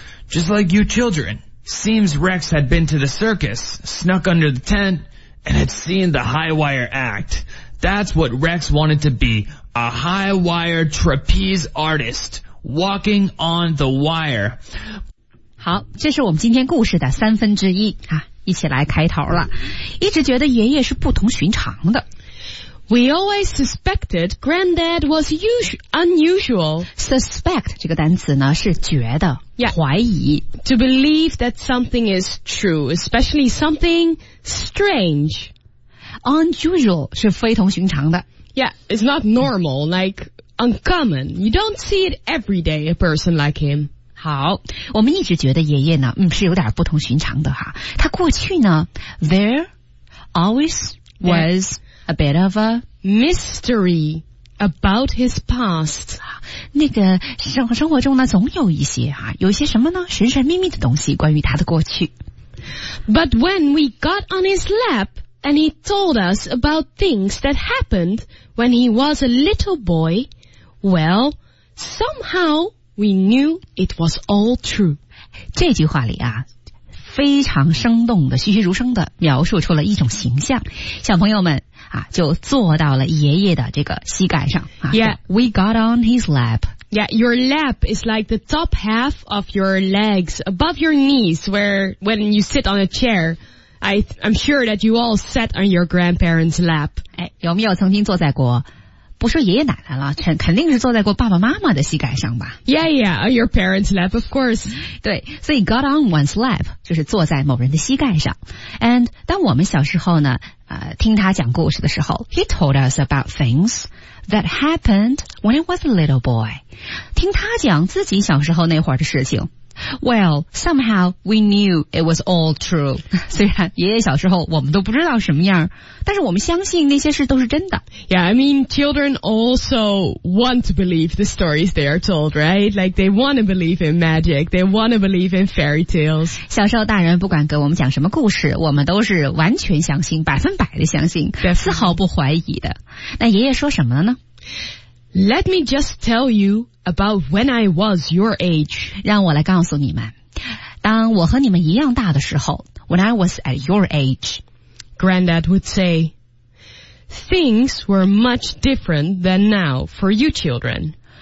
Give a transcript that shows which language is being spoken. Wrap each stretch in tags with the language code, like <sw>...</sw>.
<en>Just like you children. Seems Rex had been to the circus, snuck under the tent, and had seen the high wire act. That's what Rex wanted to be, a high wire trapeze artist, walking on the wire.</en> <zh>好，这是我们今天故事的三分之一啊，一起来开头了。一直觉得爷爷是不同寻常的。</zh> <en>We always suspected Granddad was unusual.</en> <zh>Suspect 这个单词呢是觉得</zh> <en>yeah,</en> <zh>怀疑</zh> <en>To believe that something is true, especially something strange.</en> <zh>Unusual 是非同寻常的</zh> <en>Yeah, it's not normal, like uncommon. You don't see it every day, a person like him.</en> <zh>好，我们一直觉得爷爷呢，是有点不同寻常的哈。他过去呢</zh> <en>There always was a bit of a mystery about his past.</en> <zh>那个生活中呢总有一些啊有些什么呢神神秘秘的东西关于他的过去。</zh> <en>But when we got on his lap and he told us about things that happened when he was a little boy, well, somehow we knew it was all true.</en> <zh>这句话里啊非常生动的栩栩如生的描述出了一种形象。小朋友们啊，就坐到了爷爷的这个膝盖上。啊、</zh> <en>yeah, we got on his lap. Yeah, your lap is like the top half of your legs, above your knees, where when you sit on a chair. I'm sure that you all sat on your grandparents' lap.</en> <zh>哎，有没有曾经坐在过？不说爷爷奶奶了，肯定是坐在过爸爸妈妈的膝盖上吧</zh> <en>？Yeah, yeah, your parents' lap, of course.</en> <zh>对，所以</zh> <en>got on one's lap</en> <zh>就是坐在某人的膝盖上。</zh> <en>And</en> <zh>当我们小时候呢，听他讲故事的时候</zh> <en>，he told us about things that happened when I was a little boy.</en> <zh>听他讲自己小时候那会儿的事情。</zh> <en>Well, somehow we knew it was all true.</en> <zh>虽然爷爷小时候我们都不知道什么样，但是我们相信那些事都是真的。</zh> <en>Yeah, I mean, children also want to believe the stories they are told, right? Like they want to believe in magic, they want to believe in fairy tales.</en> <zh>小时候大人不管给我们讲什么故事，我们都是完全相信，百分百的相信，丝毫不怀疑的。那爷爷说什么了呢？</zh> <en>Let me just tell you about when I was your age.</en> <zh>让我来告诉你们，当我和你们一样大的时候 ,</zh> <en>when I was at your age, Granddad would say, things were much different than now for you children.</en>